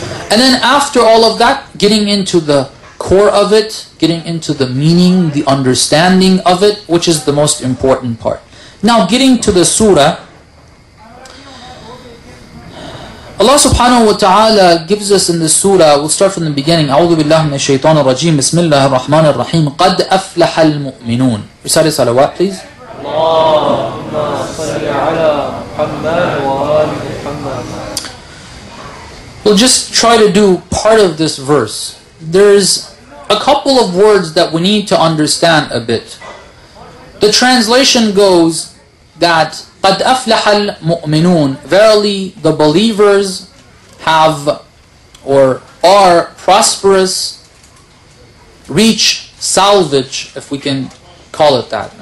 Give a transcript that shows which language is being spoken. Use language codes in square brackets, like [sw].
[en] And then after all of that, getting into the core of it, getting into the meaning, the understanding of it, which is the most important part. Now getting to the surah, Allah subhanahu wa ta'ala gives us in the surah, we'll start from the beginning, [ar] أعوذ بالله من الشيطان الرجيم بسم الله الرحمن الرحيم قد أفلح المؤمنون. [en] Recite the salawat please. [ar] اللهم صل على محمد وآل محمد. [en] We'll just try to do part of this verse. There's a couple of words that we need to understand a bit. The translation goes that [ar] قَدْ أَفْلَحَ الْمُؤْمِنُونَ, [en] verily the believers have or are prosperous, reach salvage, if we can call it that.